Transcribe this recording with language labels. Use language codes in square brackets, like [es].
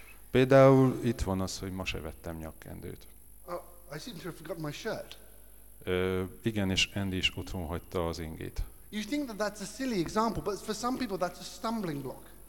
[hu] Például itt van az, hogy ma se vettem nyakkendőt. [en] Oh, I seem to have forgotten my shirt. [hu] Igen, és Andy is otthon hagyta az ingét. [en] You think that that's a silly example, but for some people that's a stumbling block.